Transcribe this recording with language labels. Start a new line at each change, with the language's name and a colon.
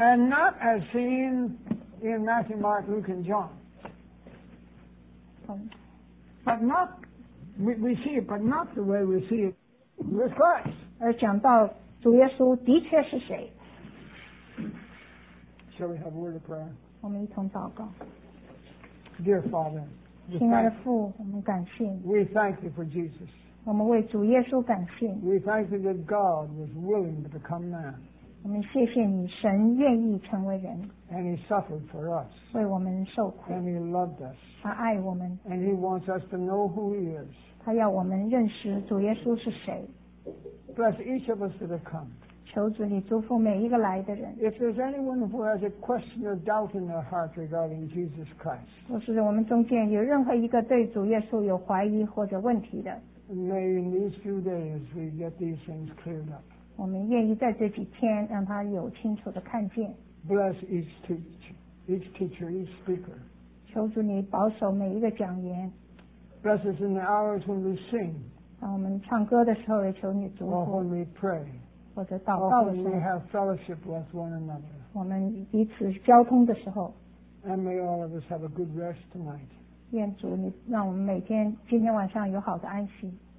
English: And not as seen in Matthew, Mark, Luke, and John. But not we see it, but not the way we see it with Christ.
Chinese: 而讲到主耶稣的确是谁。
English: Shall we have a word of prayer?
Chinese: 我们一同祷告。
English: Dear Father,
Chinese: 亲爱的父，我们感谢你。
English: We thank you for Jesus.
Chinese: 我们为主耶稣感谢。
English: We thank you that God was willing to become man.
Chinese: 我们谢谢你，神愿意成为人。
English: And he suffered for us.
Chinese: 为我们受苦。
English: And he loved us.
Chinese: 他爱我们。
English: And he wants us to know who he is.
Chinese: 他要我们认识主耶稣是谁。
English: Bless each of us that have come.
Chinese: 求主你祝福每一个来的人。
English: If there's anyone who has a question or doubt in their heart regarding Jesus Christ,
Chinese: 若是我们中间有任何一个对主耶稣有怀疑或者问题的，
English: May in these few days we get these things cleared up.
Chinese: 我们愿意在这几天让他有清楚的看见。
English: Bless each teacher, each speaker.
Chinese: 求主你保守每一个讲员。
English: Bless us in the hours when we sing.
Chinese: 当我们唱歌的时候也求你祝福。
English: Or when we pray.
Chinese: 或者祷告的时候
English: we have fellowship with one another.
Chinese: 我们彼此交通的时候
English: And may all of us have a good rest tonight.
Chinese: 愿主你让我们每天今天晚上有好的安息